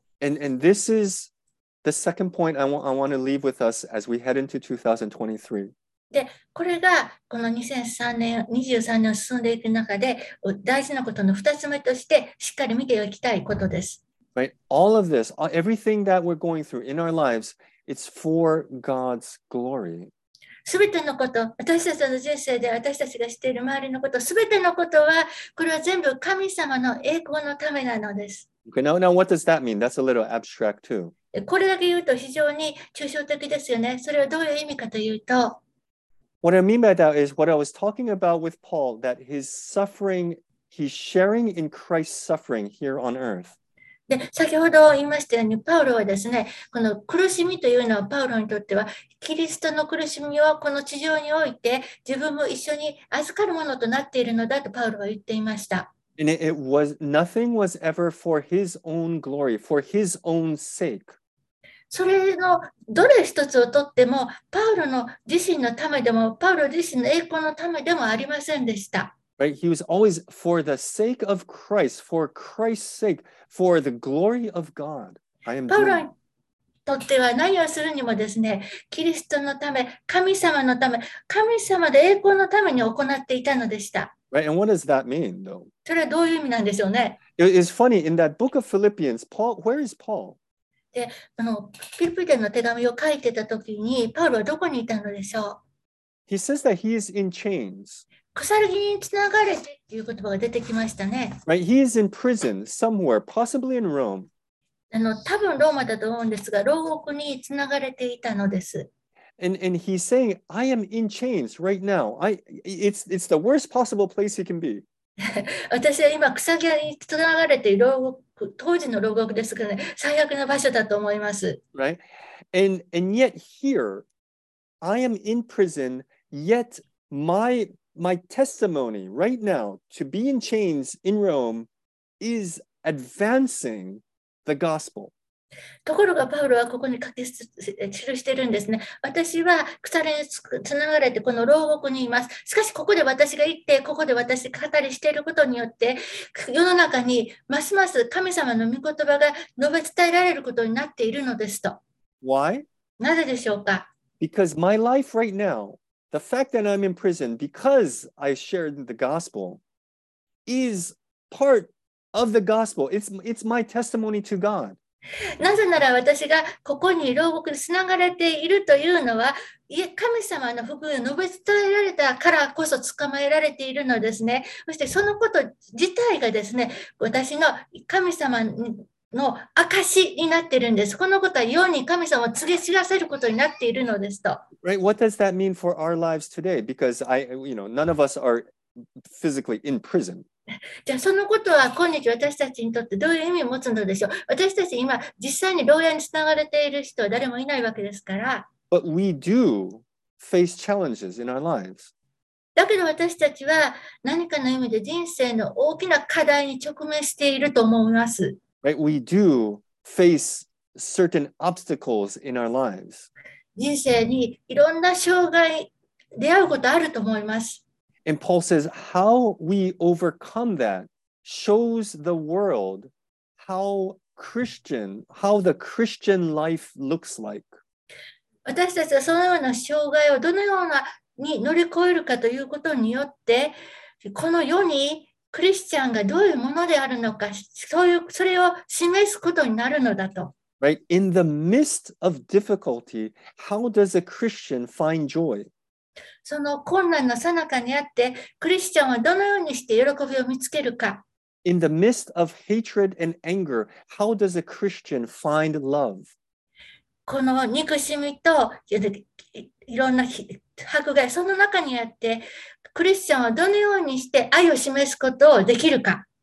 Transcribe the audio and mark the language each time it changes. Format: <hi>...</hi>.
<en>And this is the second point I want to leave with us as we head into 2023.</en> <ja>で、これがこの2023年を進んでいく中で大事なことの2つ目としてしっかり見ておきたいことです。</ja> <en>Right? All of this, everything that we're going through in our lives, it's for God's glory.</en> <ja>すべてのこと、私たちの人生で私たちがしている周りのこと、すべてのことは、これは全部神様の栄光のためなのです。</ja> <en>Okay, now what does that mean? That's a little abstract too.</en> <ja>これだけ言うと非常に抽象的ですよね。それはどういう意味かというと、</ja> <en>What I mean by that is what I was talking about with Paul, that his suffering, he's sharing in Christ's suffering here on earth.</en> <ja>で、先ほど言いましたように、パウロはですね、この苦しみというのはパウロにとっては、キリストの苦しみをこの地上において自分も一緒に預かるものとなっているのだとパウロは言っていました。</ja> <en>And it was, nothing was ever for his own glory, for his own sake.</en> <ja>それのどれ一つをとっても、パウロの自身のためでも、パウロ自身の栄光のためでもありませんでした。</ja> <en>Right? He was always for the sake of Christ, for Christ's sake, for the glory of God. I am Paul doing it. Paul, for what he is doing, for Christ, for the glory of God, for the glory of God, for the glory of God, for the glory of God. And what does that mean, though?</en> <ja>それはどういう意味なんでしょうね?</ja> <en>It is funny, in that book of Philippians, Paul, where is Paul?</en> <ja>で、あの、ピリピ人の手紙を書いてた時に、パウロはどこにいたのでしょう?</ja> <en>He says that he is in chains. Right, he is in prison somewhere, possibly in Rome.</en> <ja>あの、多分ローマだと思うんですが、牢獄につながれていたのです。</ja> <en>And he's saying, I am in chains right now. It's the worst possible place he can be.</en> <ja>私は今、鎖につながれている牢獄、当時の牢獄ですからね、最悪な場所だと思います。</ja> <en>Right? And yet here, I am in prison, yet my testimony right now to be in chains in Rome is advancing the gospel.</en> <ja>ところがパウロはここに書き記しているんですね。私は鎖につながれてこの牢獄にいます。しかしここで私が言って、ここで私が語りしていることによって、世の中にますます神様の御言葉が述べ伝えられることになっているのですと。</ja> <en>Why?</en> <ja>なぜでしょうか?</ja> <en>Because my life right now,The fact that I'm in prison because I shared the gospel is part of the gospel. It's my testimony to God.</en> <ja>なぜなら私がここに牢獄につながれているというのは、神様の福音を述べ伝えられたからこそ捕まえられているのですね。そしてそのこと自体がですね、私の神様の証になっているんです。このことは世に神様を告げ知らせることになっているのですと。</ja> <en>Right, what does that mean for our lives today? Because I, you know, none of us are physically in prison.</en> <ja>じゃあそのことは今日私たちにとってどういう意味を持つのでしょう。私たち今実際に牢屋につながれている人は誰もいないわけですから。</ja> <en>But we do face challenges in our lives.</en> <ja>だけど私たちは何かの意味で人生の大きな課題に直面していると思います。</ja> <en>Right, we do face certain obstacles in our lives.</en> <ja>人生にいろんな障害出会うことあると思います。</ja> <en>And Paul says, how we overcome that shows the world how the Christian life looks like.</en> <ja>私たちはそのような障害をどのようなに乗り越えるかということによって、この世にクリスチャンがどういうものであるのか、それを示すことになるのだと。</ja> <en>Right. In the midst of difficulty, how does a Christian find joy?</en> <ja>その困難の最中にあって、クリスチャンはどのようにして喜びを見つけるか。</ja> <en>In the midst of hatred and anger, how does a Christian find love?</en> <ja>この憎しみといろんな迫害、その中にあって、クリスチャンはどのようにして愛を示すことをできるか。</ja>